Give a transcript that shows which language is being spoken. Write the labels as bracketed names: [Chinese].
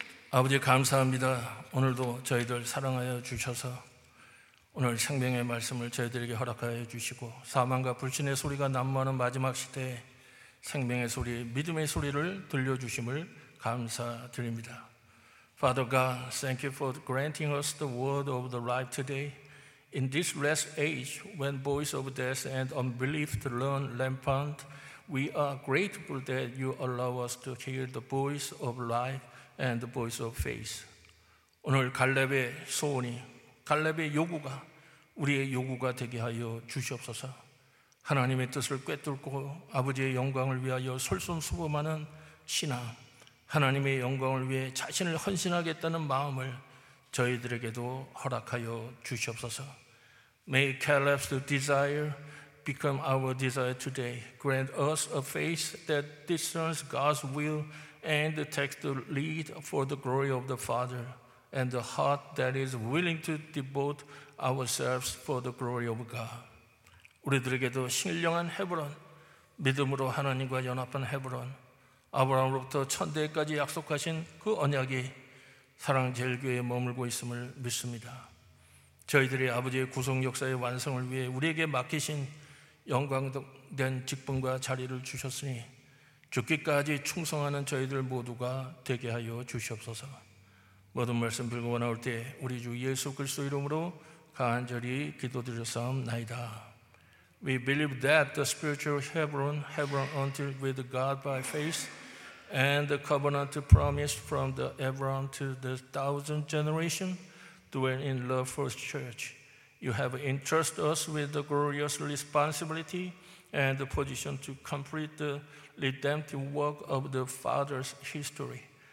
[Korean] 아버지 감사합니다. 오늘도 저희들 사랑하여 주셔서 오늘 생명의 말씀을 저희들에게 허락하여 주시고 사망과 불신의 소리가 난무하는 마지막 시대에 생명의 소리, 믿음의 소리를 들려주심을 감사드립니다. [English] Father God, thank you for granting us the word of the life today. In this last age, when voice of death and unbelief run rampant, we are grateful that you allow us to hear the voice of life and the voice of faith. [Korean] 오늘 갈렙의 소원이, 갈렙의 요구가 우리의 요구가 되게 하여 주시옵소서. 하나님의 뜻을 꿰뚫고 아버지의 영광을 위하여 솔선수범하는 신앙, 하나님의 영광을 위해 자신을 헌신하겠다는 마음을 저희들에게도 허락하여 주시옵소서. [English] May Caleb's desire become our desire today. Grant us a faith that discerns God's will and takes the lead for the glory of the Father and the heart that is willing to devote ourselves for the glory of God. [Korean] 우리들에게도 신령한 헤브론, 믿음으로 하나님과 연합한 헤브론, 아브라함으로부터 천대까지 약속하신 그 언약이 사랑제일교회에 머물고 있음을 믿습니다. 저희들이 아버지의 구속역사의 완성을 위해 우리에게 맡기신 영광된 직분과 자리를 주셨으니 죽기까지 충성하는 저희들 모두가 되게 하여 주시옵소서. 모든 말씀 불구하고 나올 때 우리 주 예수 그리스도 이름으로 간절히 기도드렸사옵나이다. [English] We believe that the spiritual heaven, heaven until with God by faith, and the covenant promised from the Abraham to the thousand generation, dwell in love for the church. You have entrusted us with the glorious responsibility and the position to complete the redemptive work of the Father's history.